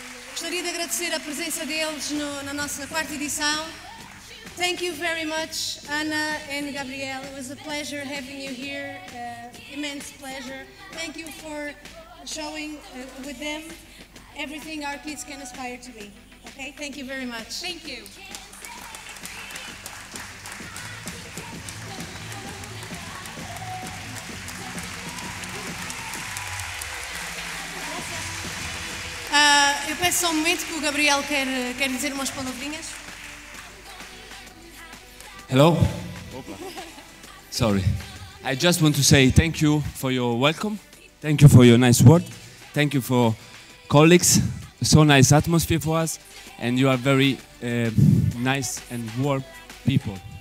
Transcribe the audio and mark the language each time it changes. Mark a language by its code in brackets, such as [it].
[pt] Gostaria de agradecer a presença deles na nossa quarta edição. [en] Thank you very much, Ana and Gabriel. It was a pleasure having you here, immense pleasure. Thank you for showing with them everything our kids can aspire to be. Okay, thank you very much. Thank you. [pt] Eu peço só um momento que o Gabriel quer dizer umas palavrinhas. [en] Hello. Opa. Sorry. I just want to say thank you for your welcome. Thank you for your nice word. Thank you for colleagues. So nice atmosphere for us. And you are very nice and warm people.